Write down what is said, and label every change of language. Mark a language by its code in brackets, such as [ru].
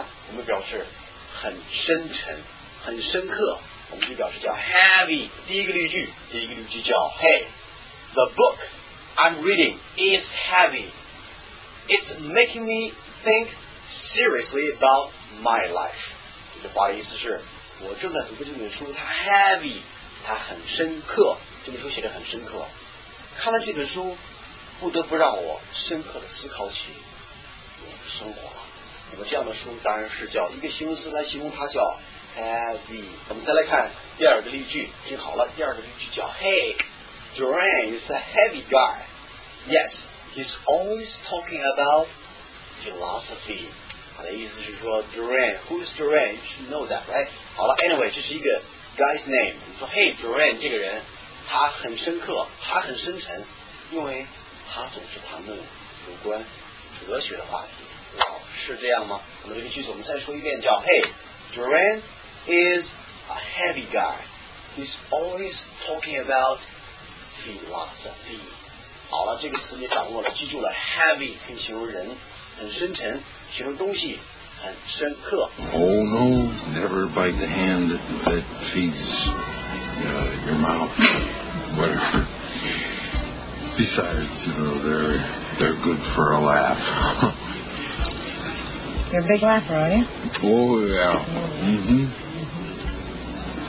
[zh] 不过在影片里面有另外一个含义，这个词意思很多，它在这个地方的含义是形容人或者东西，比方说书啊、报刊呢，我们表示很深沉。很深刻，我们就表示叫 heavy. 第一个例句叫 [en] Hey, the book I'm reading is heavy. It's making me think seriously about my life. [zh] 这句话的意思是，我正在读的这本书它 heavy， 它很深刻。这本书写得很深刻，看了这本书，不得不让我深刻的思考起我的生活了。那么这样的书当然是叫一个形容词来形容它，叫 heavy. 我们再来看第二个例句，听好了，第二个例句叫 [en] Hey, Duran is a heavy guy. Yes, he's always talking about philosophy. [zh] 他的意思是说 [en] Duran, who's Duran? You should know that, right? [zh] 好了 ， [en] Anyway， [zh] 这是一个 guy's name. 你说 [en] Hey, Duran [zh] 这个人，他很深刻，他很深沉，因为他总是谈论有关哲学的话题。是这样吗？那么这个句子我们再说一遍，叫 [en] Hey, Duran is a heavy guy. He's always talking about philosophy. [zh] 好了，这个词你掌握了，记住了 heavy 可以形容人，很深沉，形容东西，很深刻。 [en] Oh no, never bite the hand that feeds your mouth. Whatever. Besides, you know, they're good for a laugh. You're a big laugher, are you? Oh, yeah. Mm-hmm.